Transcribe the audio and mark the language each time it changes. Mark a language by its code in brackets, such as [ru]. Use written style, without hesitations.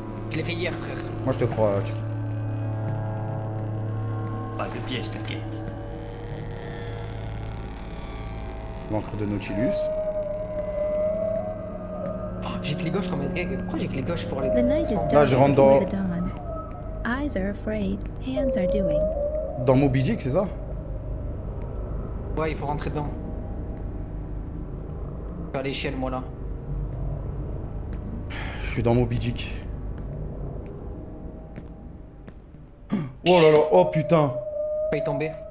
[fr] Je l'ai fait hier, frère. Moi je te crois, tu. Pas de piège, t'inquiète. L'encre de Nautilus. Oh, j'ai clé gauche comme SGG. Pourquoi j'ai clé gauche pour les. [en] The night is dark. [fr] Là, je rentre dans. [en] Eyes are afraid, hands are doing. [fr] Dans Moby Dick, c'est ça? Ouais, il faut rentrer dedans. Je suis à l'échelle, moi là. Je suis dans Moby Dick. Oh là là, oh putain! Je peux y tomber.